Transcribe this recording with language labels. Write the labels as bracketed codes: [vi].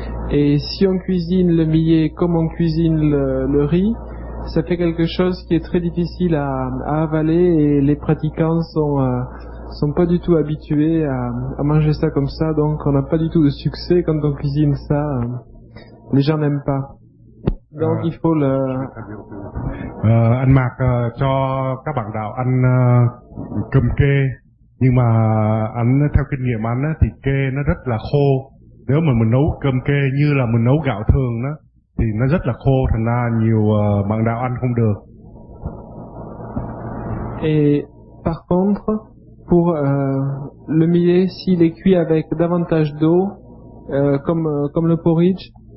[fr] Et si on cuisine le millet comme on cuisine le riz, ça fait quelque chose qui est très difficile à avaler et les pratiquants sont pas du tout habitués à manger ça comme ça, donc on n'a pas du tout de succès quand on cuisine ça. Les gens n'aiment pas. Donc il faut le... [vi] Anh Mạc cho các bạn đạo ăn cơm kê, nhưng mà anh theo kinh nghiệm anh thì kê nó rất là khô. Nếu mà mình nấu cơm kê như là mình nấu gạo thường đó, thì nó rất là khô, thành ra nhiều bạn đạo ăn không được. [fr] Et par contre, pour le millet, s'il est cuit avec davantage d'eau, comme le porridge.